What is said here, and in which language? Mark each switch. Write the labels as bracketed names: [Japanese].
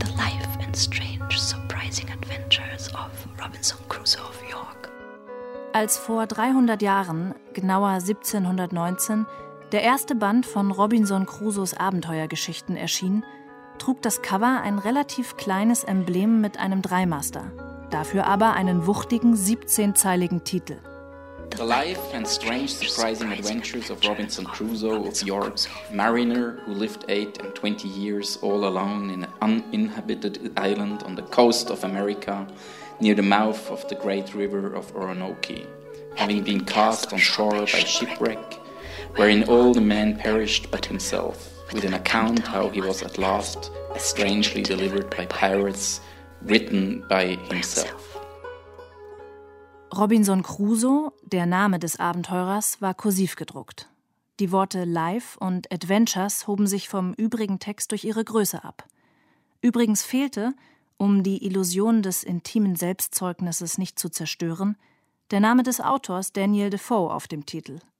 [English] The Life and Strange Surprising Adventures of Robinson Crusoe of York. [German] Als vor 300 Jahren, genauer 1719, der erste Band von Robinson Crusoes Abenteuergeschichten erschien, trug das Cover ein relativ kleines Emblem mit einem Dreimaster. Dafür aber einen wuchtigen 17-zeiligen Titel. [English] The Life and Strange Surprising Adventures of Robinson Crusoe of York, Mariner who lived 8 and 20 years all alone in an uninhabited island on the coast of America, near the mouth of the great river of Orinoco, having been cast on shore by shipwreck, wherein all the men perished but himself, with an account how he was at last strangely delivered by pirates, written by himself. [German] Robinson Crusoe, der Name des Abenteurers, war kursiv gedruckt. Die Worte Life und Adventures hoben sich vom übrigen Text durch ihre Größe ab. Übrigens fehlte, um die Illusion des intimen Selbstzeugnisses nicht zu zerstören, der Name des Autors Daniel Defoe auf dem Titel.